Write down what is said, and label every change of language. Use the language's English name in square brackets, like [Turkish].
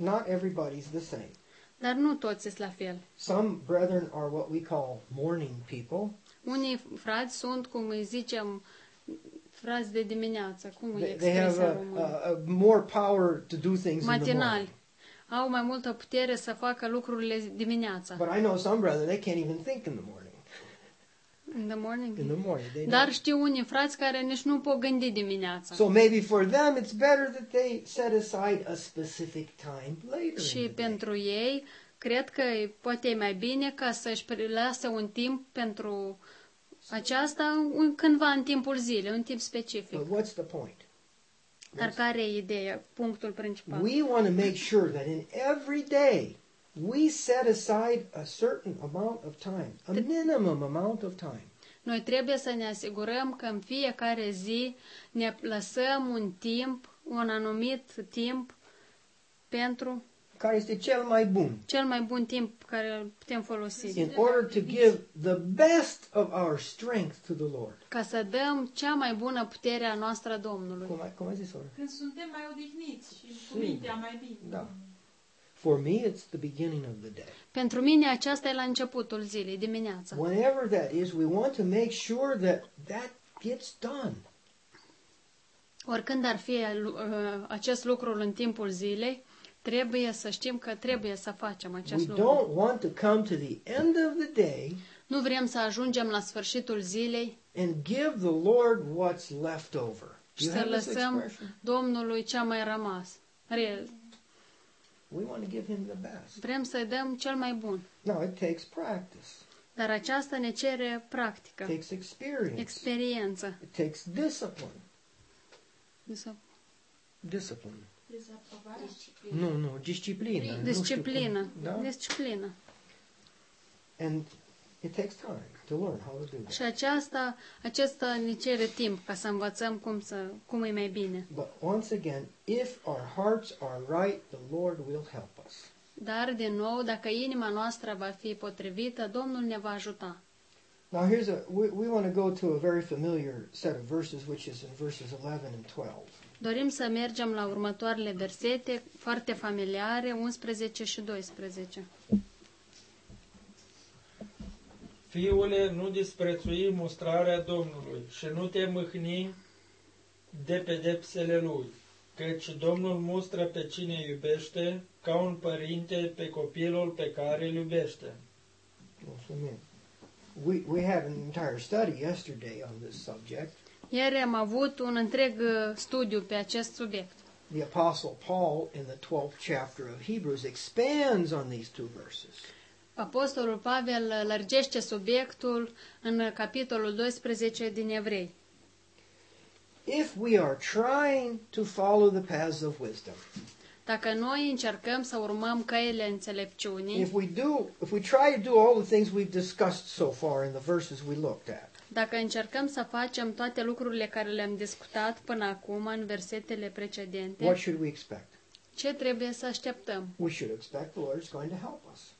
[English] Not everybody's the same. [Romanian] Dar nu toți sunt la fel. [English] Some brethren are what we call morning people. [Romanian] Unii frați sunt, cum îi zicem, frați de dimineață, cum îi [English] expresă. They have a more power to do things [Romanian] matinal. [English] In the morning. [Romanian] Au mai multă putere să facă lucrurile dimineața. [English] But I know some brethren, they can't even think in the morning. In the morning. [Romanian] Dar știu unii frați care nici nu pot gândi dimineața. [English] So maybe for them it's better that they set aside a specific time later. [Romanian] Și pentru ei cred că poate e mai bine ca să își lase un timp pentru aceasta cândva în timpul zilei, un timp specific. [English] But what's the point? [Romanian] Dar care e ideea, punctul principal? [English] We want to make sure that in every day we set aside a certain amount of time, a minimum amount of time. [Romanian] Noi trebuie să ne asigurăm că în fiecare zi ne lăsăm un timp, un anumit timp pentru care este cel mai bun. Cel mai bun timp care putem folosi. [English] In order to give the best of our strength to the Lord. [Romanian] Ca să dăm cea mai bună putere a noastră Domnului. Cum ai zis, oră? Când suntem mai odihniți și cu mintea mai bine. Da. [English] For me it's the beginning of the day. [Romanian] Pentru mine aceasta e la începutul zilei, dimineața. [English] Whenever that is, we want to make sure that that gets done. [Romanian] Oricând ar fi acest lucru în timpul zilei, trebuie să știm că trebuie să facem acest lucru. [English] We don't want to come to the end of the day. [Romanian] Nu vrem să ajungem la sfârșitul zilei. [English] And give the Lord what's left over. [Romanian] Și să lăsăm Domnului ce a mai rămas. [English] We want to give him the best. [Romanian] Vrem să-i dăm cel mai bun. [English] Now, it takes practice. [Romanian] Dar aceasta ne cere practică. [English] It takes experience. [Romanian] Experiență. [English] It takes discipline. Discipline. [Romanian] Disciplină. Nu, disciplină. Disciplină. Da? Disciplină. [English] And it takes time to learn how to do that. [Romanian] Și aceasta ne cere timp ca să învățăm cum e mai bine. [English] But once again, if our hearts are right, the Lord will help us. [Romanian] Dar din nou, dacă inima noastră va fi potrivită, Domnul ne va ajuta. [English] Now here's we want to go to a very familiar set of verses, which is in verses 11 and 12. [Romanian] Dorim să mergem la următoarele versete foarte familiare, 11 și 12. Fiule, nu disprețui mustrarea Domnului și nu te mâhni de pedepsele Lui, căci Domnul mustră pe cine iubește, ca un părinte pe copilul pe care îl iubește. Mulțumim. [English] We had an entire study yesterday on this subject. [Romanian] Ieri am avut un întreg studiu pe acest subiect. [English] The Apostle Paul in the 12th chapter of Hebrews expands on these two verses. [Romanian] Apostolul Pavel lărgește subiectul în capitolul 12 din Evrei. [English] If we are trying to follow the paths of wisdom. [Romanian] Dacă noi încercăm să urmăm căile înțelepciunii. [English] If we try to do all the things we've discussed so far in the verses we looked at. [Romanian] Dacă încercăm să facem toate lucrurile care le-am discutat până acum în versetele precedente, [English] what should we expect? [Romanian] Ce trebuie să așteptăm? [English] We should expect the Lord is going to help us.